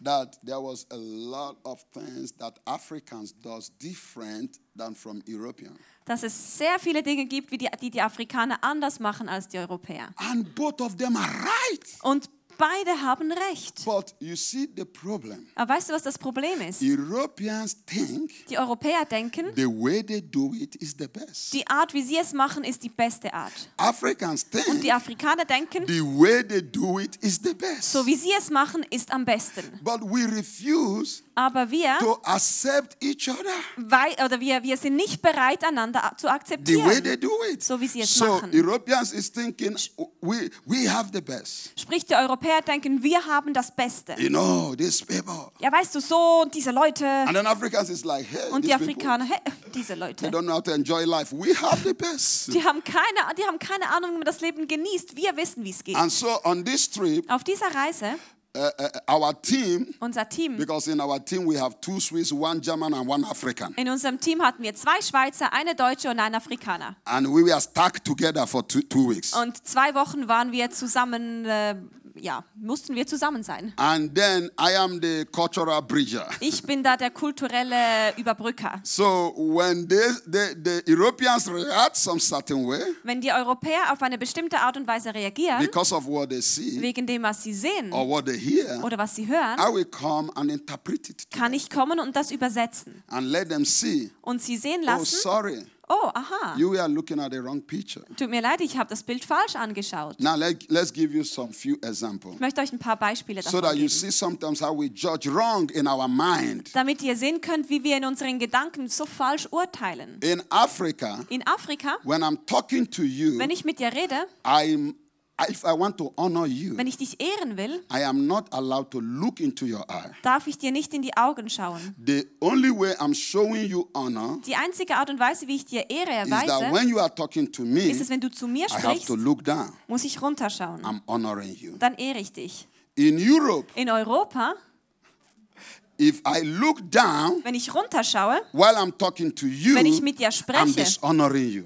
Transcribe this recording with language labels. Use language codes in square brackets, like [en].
[en] that there was a lot of things that Africans does different than from Europeans. [de] Dass es sehr viele Dinge gibt, wie die Afrikaner anders machen als die Europäer. [en] And both of them are right. [de] Und beide haben recht. [en] But you see the problem. [de] Aber weißt du, was das Problem ist? [en] Europeans think, [de] die Europäer denken, [en] the way they do it is the best. [de] Die Art, wie sie es machen, ist die beste Art. [en] Africans think, [de] und die Afrikaner denken, [en] the way they do it is the best. [de] So wie sie es machen, ist am besten. [en] But we refuse, [de] aber wir, [en] to accept each other. [de] Weil, oder wir sind nicht bereit, einander zu akzeptieren. [en] The way they do it. [de] So wie sie es [en] so [de] machen. [en] Europeans is thinking, we have the best. [de] Sprich, die Europäer denken, wir haben das Beste. [en] You know, these people. [de] Ja, weißt du, so diese Leute. [en] And then Africans is like, hey, [de] und die Afrikaner, hey, diese Leute. [en] They don't know how to enjoy life. We have the best. [de] Die haben keine Ahnung, wie man das Leben genießt. Wir wissen, wie es geht. [en] And so on this trip, [de] auf dieser Reise, [en] our team, [de] unser Team, [en] because in our team we have two Swiss, one German and one African. [de] In unserem Team hatten wir zwei Schweizer, eine Deutsche und einen Afrikaner. [en] And we were stuck together for two weeks. [de] Und zwei Wochen waren wir zusammen. Ja, mussten wir zusammen sein. [en] And then I am the cultural bridger. [de] Ich bin da der kulturelle Überbrücker. [en] So when the Europeans react some certain way, [de] wenn die Europäer auf eine bestimmte Art und Weise reagieren, [en] because of what they see, [de] wegen dem, was sie sehen, [en] or what they hear, [de] oder was sie hören, [en] I will come and interpret it to [de] kann [en] them. [de] Ich kommen und das übersetzen. [en] And let them see, [de] und sie sehen lassen, [en] oh, sorry. [de] Oh, aha. [en] You are looking at the wrong picture. [de] Tut mir leid, ich habe das Bild falsch angeschaut. [en] Now let's give you some few examples. [de] Ich möchte euch ein paar Beispiele davon geben. [en] So that you [de] geben. [en] See sometimes how we judge wrong in our mind. [de] Damit ihr sehen könnt, wie wir in unseren Gedanken so falsch urteilen. [en] In Afrika, when I'm talking to you, [de] wenn ich mit dir rede, [en] if I want to honor you, [de] wenn ich dich ehren will, [en] I am not allowed to look into your eye. [de] Darf ich dir nicht in die Augen schauen? [en] The only way I'm showing you honor, [de] die einzige Art und Weise, wie ich dir Ehre erweise, [en] is that when you are talking to me, [de] ist es, wenn du zu mir sprichst, [en] I have to look down. [de] Muss ich runterschauen. [en] I'm honoring you. [de] Dann ehre ich dich. [en] In Europe, [de] in Europa, [en] if I look down, [de] wenn ich runterschaue, [en] while I'm talking to you, [de] wenn ich mit dir spreche, [en] I'm dishonoring you.